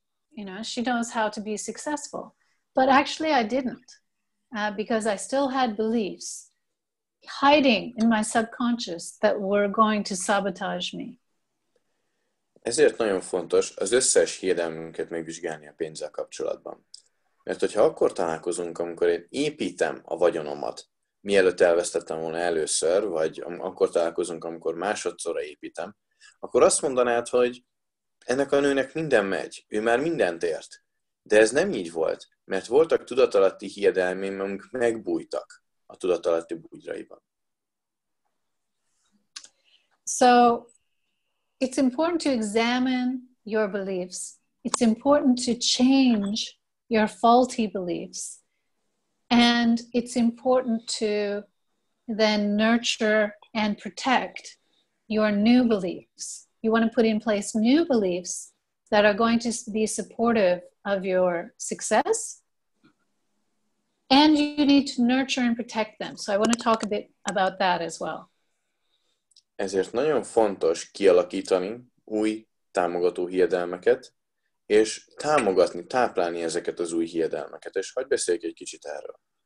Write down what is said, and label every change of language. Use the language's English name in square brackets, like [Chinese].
[English] You know, she knows how to be successful. But actually I didn't, because I still had beliefs hiding in my subconscious that were going to sabotage me. [Hungarian] Ezért nagyon fontos az összes hiedelmünket megvizsgálni a pénzzel kapcsolatban. Mert hogyha akkor találkozunk, amikor én építem a vagyonomat, mielőtt elvesztettem volna először, vagy akkor találkozunk, amikor másodszorra építem, akkor azt mondanád, hogy ennek a nőnek minden megy, ő már mindent ért. De ez nem így volt, mert voltak tudatalatti hiedelmém, amik megbújtak a tudatalatti bugyraiban. [English] So it's important to examine your beliefs. It's important to change your faulty beliefs. And it's important to then nurture and protect your new beliefs. You want to put in place new beliefs that are going to be supportive of your success. And you need to nurture and protect them. So I want to talk a bit about that as well. [Hungarian] Ezért nagyon fontos kialakítani új támogató hiedelmeket, és támogatni, táplálni ezeket az új hiedelmeket. És hadd beszéljük egy kicsit erről.